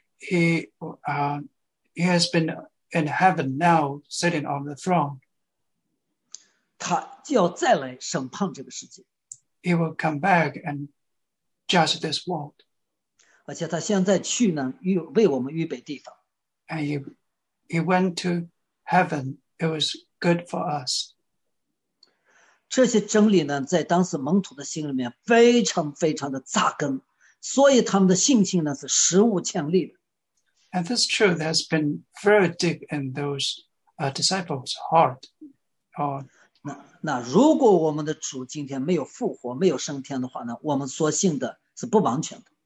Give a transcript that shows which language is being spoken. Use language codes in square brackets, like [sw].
[en] He has been in heaven now, sitting on the throne. [zh] 他要再来审判这个世界。 [en] He will come back and judge this world. [zh] 而且他现在去呢，为我们预备地方。 [en] And he went to heaven. It was good for us. [zh] 这些真理呢，在当时门徒的心里面非常非常的扎根，所以他们的信心呢是史无前例的。 [en] And that's true. That's been very deep in those disciples' heart. Or, [zh] 那如果我们的主今天没有复活，没有升天的话呢？我们所信的是不完全的。